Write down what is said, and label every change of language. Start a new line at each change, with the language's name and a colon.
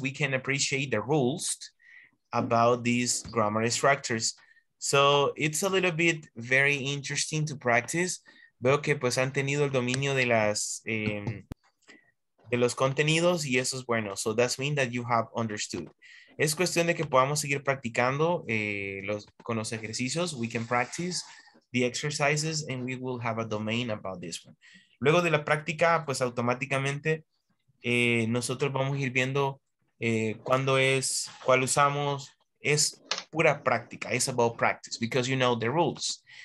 English: We can appreciate the rules about these grammar structures. So it's a little bit very interesting to practice.
Spanish: Veo que pues han tenido el dominio de las de los contenidos y eso es bueno.
English: So that's mean that you have understood.
Spanish: Es cuestión de que podamos seguir practicando con los ejercicios.
English: We can practice the exercises and we will have a domain about this one.
Spanish: Luego de la práctica, pues automáticamente nosotros vamos a ir viendo cuál usamos. Es pura práctica.
English: It's about practice because you know the rules.